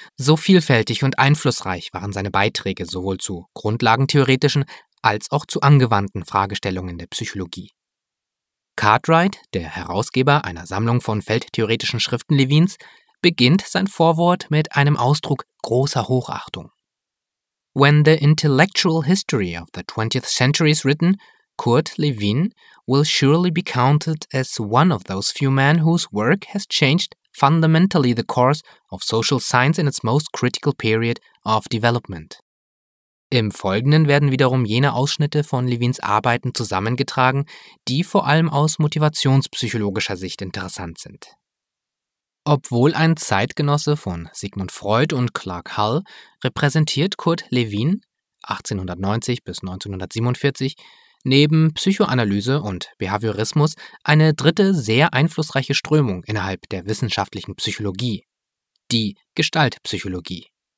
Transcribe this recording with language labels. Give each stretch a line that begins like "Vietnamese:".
German: So vielfältig und einflussreich waren seine Beiträge sowohl zu grundlagentheoretischen als auch zu angewandten Fragestellungen der Psychologie. Cartwright, der Herausgeber einer Sammlung von feldtheoretischen Schriften Lewins, beginnt sein Vorwort mit einem Ausdruck großer Hochachtung.
English: When the intellectual history of the 20th century is written, Kurt Lewin will surely be counted as one of those few men whose work has changed fundamentally the course of social science in its most critical period of development.
German: Im Folgenden werden wiederum jene Ausschnitte von Lewins Arbeiten zusammengetragen, die vor allem aus motivationspsychologischer Sicht interessant sind. Obwohl ein Zeitgenosse von Sigmund Freud und Clark Hull, repräsentiert Kurt Lewin, 1890 bis 1947, neben Psychoanalyse und Behaviorismus eine dritte sehr einflussreiche Strömung innerhalb der wissenschaftlichen Psychologie, die Gestaltpsychologie.